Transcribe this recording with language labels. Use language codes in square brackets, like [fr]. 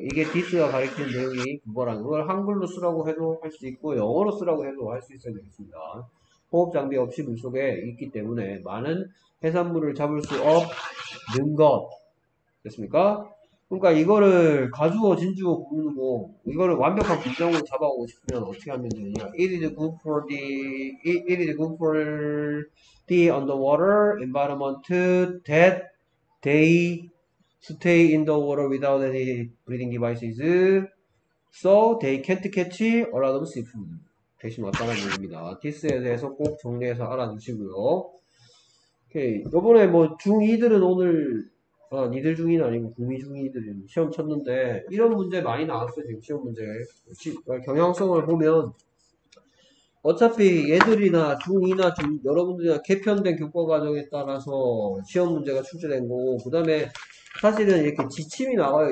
[ko] 이게 this가 가리키는 내용이 그거랑 그걸 한글로 쓰라고 해도 할수 있고 영어로 쓰라고 해도 할수 있어야 되겠습니다. 호흡 장비 없이 물속에 있기 때문에 많은 해산물을 잡을 수 없는 것. 됐습니까? 그러니까 이거를 가주어 진주어 부르고 이거를 완벽한 문장으로 잡아오고 싶으면 어떻게 하면 되느냐? [en] It is good for the underwater environment that they stay in the water without any breathing devices, so they can't catch a lot of seafood. [ko] 대신 왔다는 얘기입니다. This에 대해서 꼭 정리해서 알아두시고요. 오케이, 이번에 뭐 중2들은 오늘 아, 니들 중이는 아니고 구미 중이들 시험 쳤는데 이런 문제 많이 나왔어 지금 시험 문제. 경향성을 보면 어차피 얘들이나 중이나 중 여러분들이나 개편된 교과 과정에 따라서 시험 문제가 출제된 거고 그다음에 사실은 이렇게 지침이 나와요.